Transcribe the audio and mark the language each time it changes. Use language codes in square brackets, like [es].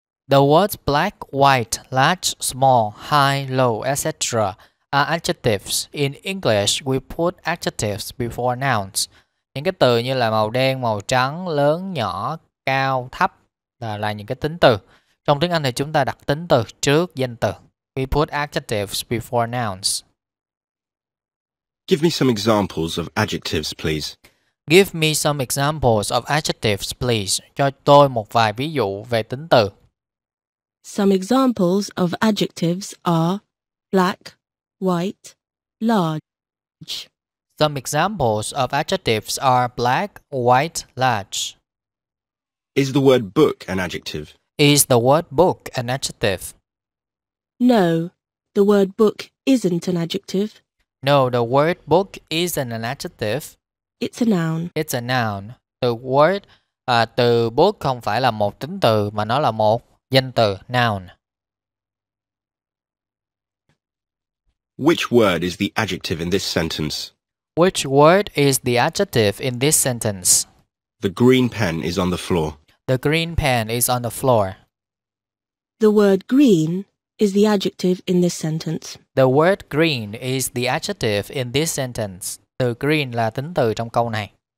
[en] The words black, white, large, small, high, low, etc. are adjectives. In English, we put adjectives before nouns. [vi] Những cái từ như là màu đen, màu trắng, lớn, nhỏ, cao, thấp là những cái tính từ. Trong tiếng Anh thì chúng ta đặt tính từ trước danh từ. [en] We put adjectives before nouns. Give me some examples of adjectives, please. Give me some examples of adjectives, please. [vi] Cho tôi một vài ví dụ về tính từ. [en] Some examples of adjectives are black, white, large. Some examples of adjectives are black, white, large. Is the word book an adjective? Is the word book an adjective? No, the word book isn't an adjective. No, the word book isn't an adjective. It's a noun. It's a noun. The word [vi] từ book không phải là một tính từ mà nó là một danh từ, noun. [en] Which word is the adjective in this sentence? Which word is the adjective in this sentence? The green pen is on the floor. The green pen is on the floor. The word green is the adjective in this sentence. The word green is the adjective in this sentence. [vi] Từ green là tính từ trong câu này.